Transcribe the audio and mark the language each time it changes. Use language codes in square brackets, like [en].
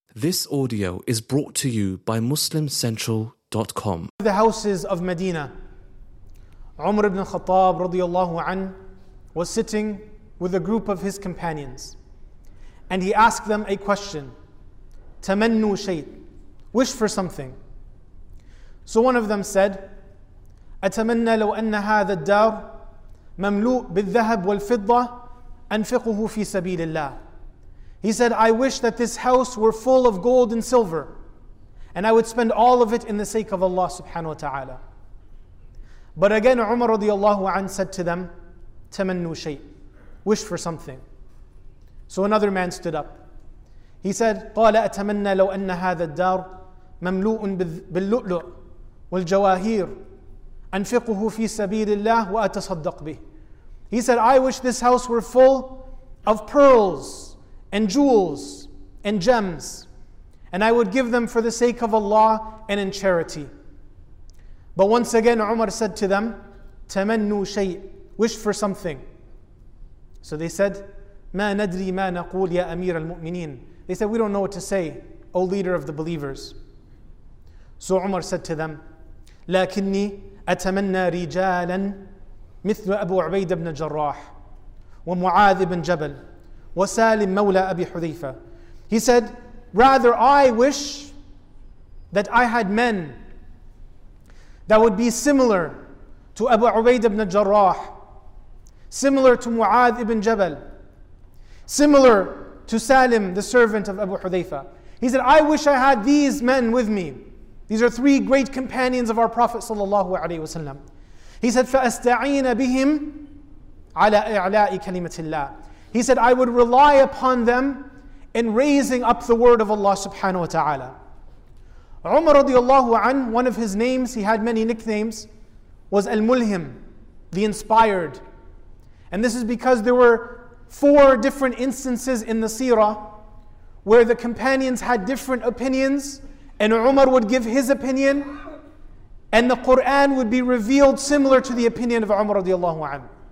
[en] This audio is brought to you by MuslimCentral.com. The houses of Medina. Umar ibn Khattab radiallahu anh was sitting with a group of his companions. And he asked them a question. [ar] Tamannu shayt. [en] Wish for something. So one of them said, [ar] أتمنى لو أن هذا الدار مملوء بالذهب والفضة أنفقه في سبيل الله. [en] He said, I wish that this house were full of gold and silver, and I would spend all of it in the sake of Allah subhanahu wa ta'ala. But again, Umar radiallahu anh said to them, [ar] تمنوا شيء, [en] wish for something. So another man stood up. He said, [ar] قال أتمنى لو أن هذا الدار مملوء باللؤلؤ والجواهير أنفقه في سبيل الله وأتصدق به. [en] He said, I wish this house were full of pearls and jewels and gems, and I would give them for the sake of Allah and in charity. But once again, Umar said to them, [ar] تمنوا شيء, [en] wish for something. So they said, [ar] ما ندري ما نقول يا أمير المؤمنين. [en] They said, we don't know what to say, O leader of the believers. So Umar said to them, [ar] لكني أتمنى رجالا مثل أبو عبيد بن جراح ومعاذ بن جبل وسالم مولى أبي حذيفة. [en] He said, rather I wish that I had men that would be similar to Abu Ubaid ibn Jarrah, similar to Mu'adh ibn Jabal, similar to Salim, the servant of Abu Hudhayfa. He said, I wish I had these men with me. These are three great companions of our Prophet sallallahu alaihi wasallam. He said, [ar] فَأَسْتَعِينَ بِهِمْ عَلَىٰ إِعْلَاءِ كَلِمَةِ اللَّهِ. [en] He said, I would rely upon them in raising up the word of Allah subhanahu wa ta'ala. Umar radiallahu an, one of his names, he had many nicknames, was Al-Mulhim, the inspired. And this is because there were four different instances in the seerah where the companions had different opinions, and Umar would give his opinion, and the Quran would be revealed similar to the opinion of Umar radiallahu an.